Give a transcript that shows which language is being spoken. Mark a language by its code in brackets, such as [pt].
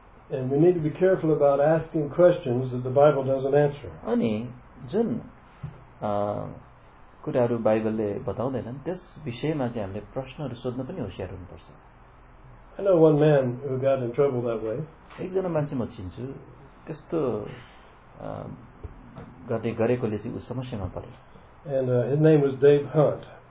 [en] And we need to be careful about asking questions that the Bible doesn't answer. [ne] अनि जुन कुराहरू बाइबलले बताउँदैनन् त्यस विषयमा चाहिँ हामीले प्रश्नहरू सोध्न पनि होसियार हुनुपर्छ. [en] I know one man who got in trouble that way. [ne] एकजना मान्छे म चिन्छु त्यस्तो गर्दै गरेकोले चाहिँ ऊ समस्यामा पर्यो. [en] And his name was Dave Hunt.